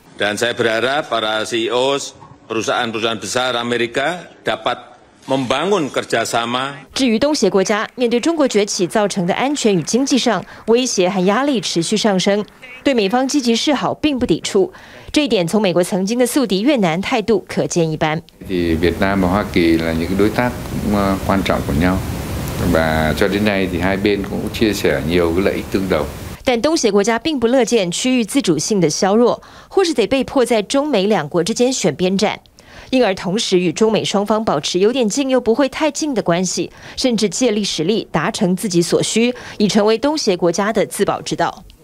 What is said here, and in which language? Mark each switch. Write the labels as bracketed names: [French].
[Indonesian] Dan saya berharap para CEO perusahaan-perusahaan besar Amerika dapat membangun kerjasama。 [Chinese] 至于东协国家，面对中国崛起造成的安全与经济上威胁和压力持续上升，对美方积极示好并不抵触。这一点从美国曾经的宿敌越南态度可见一斑。 [Vietnamese] Việt Nam và Hoa Kỳ là những đối tác quan trọng của nhau, và cho đến nay thì hai bên cũng chia sẻ nhiều lợi ích tương đồng。 [Chinese] 但东协国家并不乐见区域自主性的削弱，或是得被迫在中美两国之间选边站。因而同时与中美双方保持有点近又不会太近的关系，甚至借力使力达成自己所需，已成为东协国家的自保之道。